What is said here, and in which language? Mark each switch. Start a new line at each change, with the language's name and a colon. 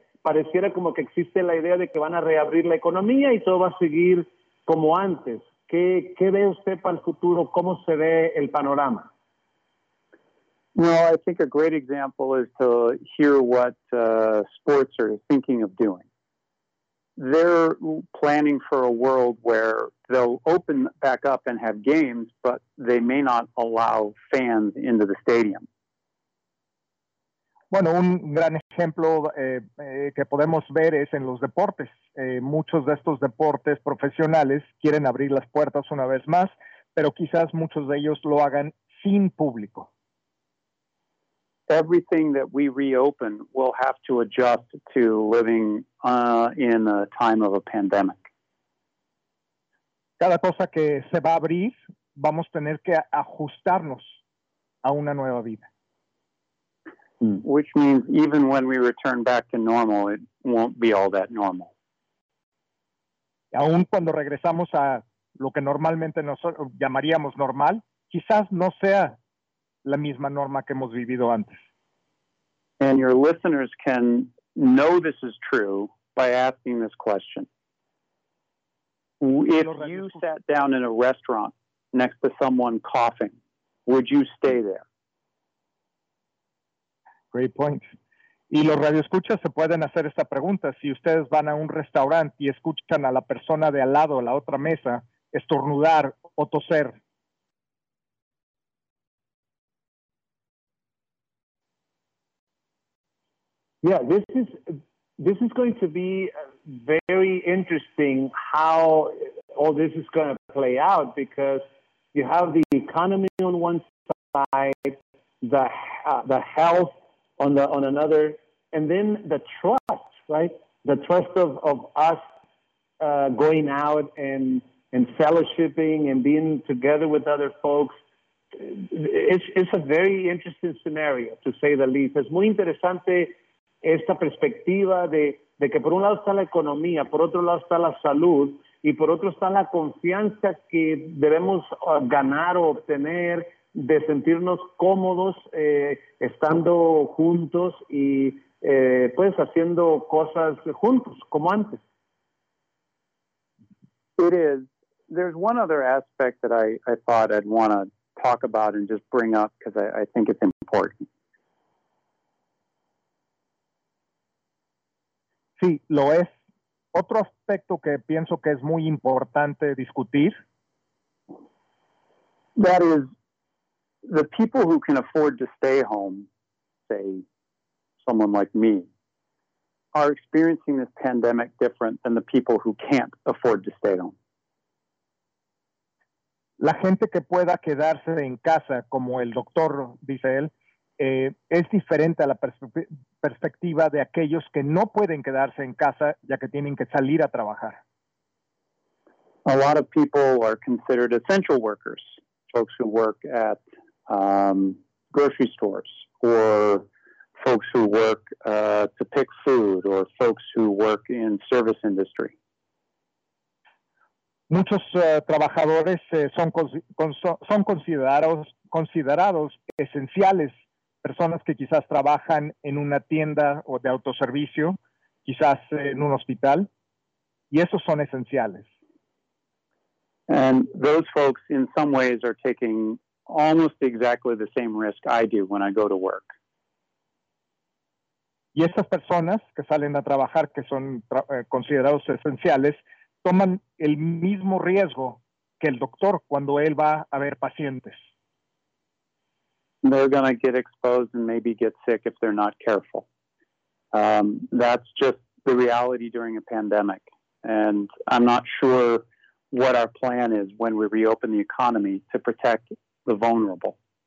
Spanish: Pareciera como que existe la idea de que van a reabrir la economía y todo va a seguir como antes. ¿Qué ve usted para el futuro? ¿Cómo se ve el panorama?
English: Well, I think a great example is to hear what sports are thinking of doing. They're planning for a world where they'll open back up and have games, but they may not allow fans into the stadium.
Spanish: Bueno, un gran ejemplo que podemos ver es en los deportes. Muchos de estos deportes profesionales quieren abrir las puertas una vez más, pero quizás muchos de ellos lo hagan sin público.
English: Everything that we reopen will have to adjust to living in a time of a pandemic.
Spanish: Cada cosa que se va a abrir, vamos a tener que ajustarnos a una nueva vida.
English: Which means even when we return back to normal, it won't be all that normal.
Spanish: Aún cuando regresamos a lo que normalmente nosotros llamaríamos normal, quizás no sea la misma norma que hemos vivido antes.
English: And your listeners can know this is true by asking this question. If you sat down in a restaurant next to someone coughing, would you stay there? Great point.
Spanish: Y los radioescuchas se pueden hacer esta pregunta. Si ustedes van a un restaurante y escuchan a la persona de al lado, a la otra mesa, estornudar o toser,
English: yeah, this is going to be very interesting how all this is going to play out, because you have the economy on one side, the health on another, and then the trust, right? The trust of us going out and fellowshipping and being together with other folks. It's a very interesting scenario, to say the least.
Spanish: Es muy interesante esta perspectiva de que por un lado está la economía, por otro lado está la salud, y por otro está la confianza que debemos ganar o obtener de sentirnos cómodos estando juntos y pues haciendo cosas juntos, como antes.
English: It is. There's one other aspect that I thought I'd want to talk about and just bring up because I think it's important.
Spanish: Sí, lo es. Otro aspecto que pienso que es muy importante discutir.
English: That is, the people who can afford to stay home, say, someone like me, are experiencing this pandemic different than the people who can't afford to stay home.
Spanish: La gente que pueda quedarse en casa, como el doctor dice él, es diferente a la perspectiva de aquellos que no pueden quedarse en casa ya que tienen que salir a trabajar.
English: A lot of people are considered essential workers, folks who work at grocery stores, or folks who work to pick food, or folks who work in service industry.
Spanish: Muchos trabajadores son considerados esenciales. Personas que quizás trabajan en una tienda o de autoservicio, quizás en un hospital, y esos son esenciales.
English: And those folks in some ways are taking almost exactly the same risk I do when I go to work.
Spanish: Y esas personas que salen a trabajar, que son considerados esenciales, toman el mismo riesgo que el doctor cuando él va a ver pacientes.
English: They're going to get exposed and maybe get sick if they're not careful. That's just the reality during a pandemic. And I'm not sure what our plan is when we reopen the economy to protect the vulnerable.